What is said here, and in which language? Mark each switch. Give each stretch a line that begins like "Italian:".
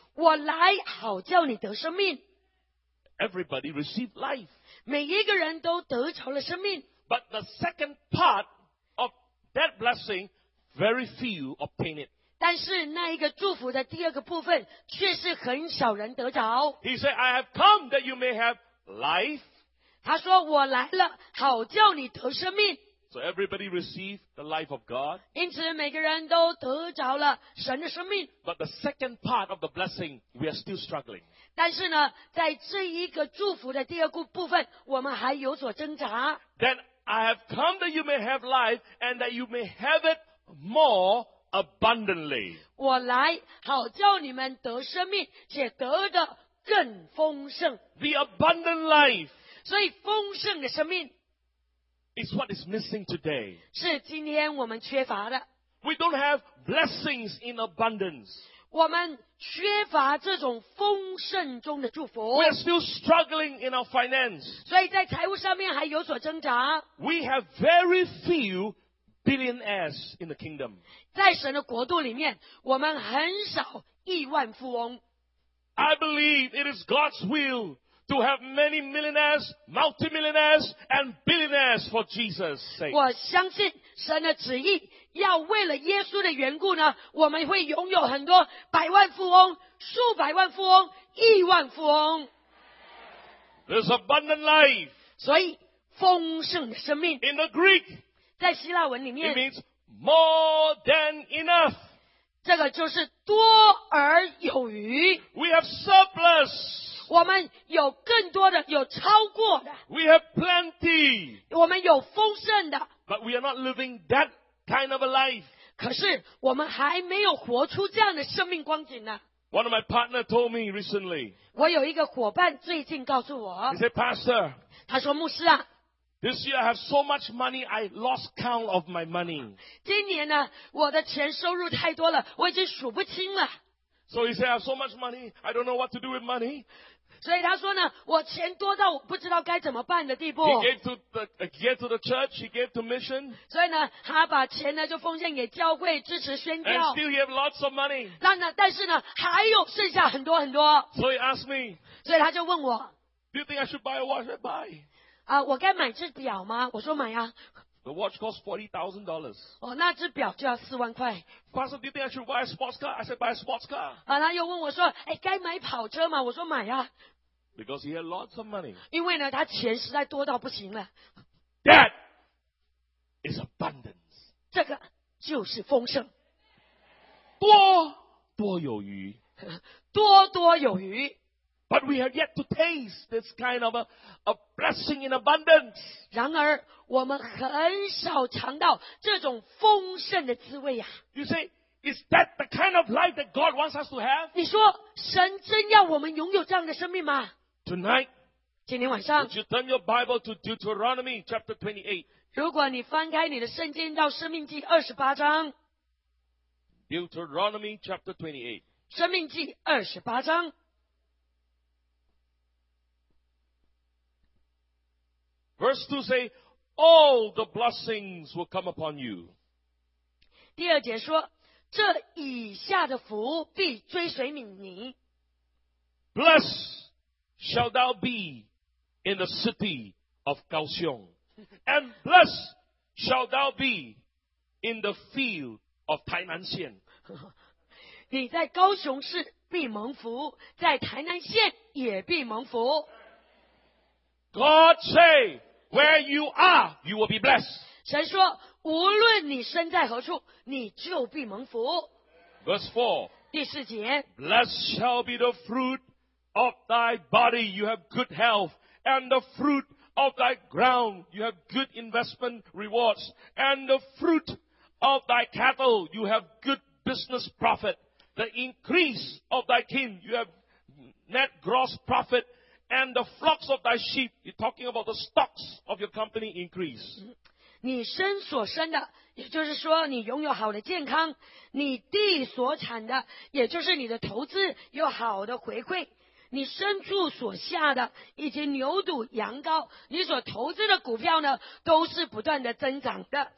Chinese: 我来好叫你得生命。
English: Everybody received life.
Chinese: 每一个人都得着了生命。
English: But the second part of that blessing, very few obtain it.
Chinese: 但是那一个祝福的第二个部分却是很少人得着。
English: He said, I have come that you may have life.
Chinese: 他说我来了好叫你得生命。
English: So everybody received the life of God.
Chinese: 因此每个人都得着了神的生命。
English: But the second part of the blessing, we are still struggling.
Chinese: 但是呢在这一个祝福的第二个部分我们还有所挣扎。
English: Then I have come that you may have life and that you may have it more. Abundantly.
Chinese: 我来好叫你们得生命且得的更丰盛。
English: The abundant life.
Chinese: 所以丰盛的生命
English: is what is missing today.
Chinese: 是今天我们缺乏的。
English: We don't have blessings in abundance.
Chinese: 我们缺乏这种丰盛中的祝福。
English: We are still struggling in our finance.
Chinese: 所以在财务上面还有所挣扎。
English: We have very few billionaires in the kingdom.
Chinese: 在神的国度里面我们很少亿万富翁。
English: I believe it is God's will to have many millionaires, multi-millionaires, and billionaires for Jesus' sake.
Chinese: 我相信神的旨意要为了耶稣的缘故呢我们会拥有很多百万富翁数百万富翁亿万富翁。
English: There's abundant life.
Chinese: 所以丰盛的生命。
English: In the Greek,
Chinese: 在希腊文里面
English: It means more than enough.
Chinese: 这个就是多而有余。
English: We have surplus.
Chinese: 我们有更多的，有超过的。
English: We have plenty.
Chinese: 我们有丰盛的。
English: But we are not living that kind of a life.
Chinese: 可是我们还没有活出这样的生命光景呢。
English: One of my partner told me recently.
Chinese: 我有一个伙伴最近告诉我。
English: He said, Pastor.
Chinese: 他说牧师啊。
English: This year I have so much money, I lost count of my money.
Chinese: 今年呢，我的钱收入太多了，我已经数不清了。
English: So he said, I have so much money, I don't know what to do with money.
Chinese: 所以他说呢，我钱多到我不知道该怎么办的地步。
English: He gave to the church, he gave to mission.
Chinese: 所以呢，他把钱呢就奉献给教会支持宣教。
English: And still he have lots of money.
Chinese: 但是呢，还有剩下很多很多。
English: So he asked me.
Chinese: 所以他就问我。
English: Do you think I should buy a watch? I buy.
Chinese: 我该买只表吗？我说买啊。
English: The watch costs $40,000.
Chinese: 哦，那只表就要四万块。
English: Pastor, do you think I should buy a sports car? I said buy a sports car.
Chinese: 他又问我说，哎，该买跑车吗？我说买啊。
English: Because he had lots of money.
Chinese: 因为呢，他钱实在多到不行了。
English: That is abundance.
Chinese: 这个就是丰盛。多多有余。多多有余。
English: But we have yet to taste this kind of a blessing in abundance.
Chinese: 然而我们很少尝到这种丰盛的滋味啊。
English: You say, is that the kind of life that God wants us to have?
Chinese: 你说神真要我们拥有这样的生命吗？
English: Tonight,
Chinese: 今天晚上，
English: would you turn your Bible to Deuteronomy chapter 28?
Chinese: 如果你翻开你的圣经到生命记28章。
English: Deuteronomy chapter 28.
Chinese: 生命记28章。
English: Verse 2 say, all the blessings will come upon you.
Chinese: 第二节说，这以下的福必追随你。
English: Blessed shall thou be in the city of Kaohsiung, and blessed shall thou be in the field of Tainan-xian.
Chinese: 你在高雄市必蒙福，在台南县也必蒙福。
English: God say,Where you are, you will be blessed.
Chinese: 神说，无论你身在何处，你就必蒙福。
English: Verse 4.
Chinese: 第四节。
English: Blessed shall be the fruit of thy body, you have good health, and the fruit of thy ground, you have good investment rewards, and the fruit of thy cattle, you have good business profit, the increase of thy kin, you have net gross profit,And the flocks of thy sheep, you're talking about the stocks of your company increase.
Chinese: 你身所生的，也就是说你拥有好的健康，你地所产的，也就是你的投资有好的回馈，你牲畜所下的，以及牛犊羊羔，你所投资的股票呢，都是不断的增长的。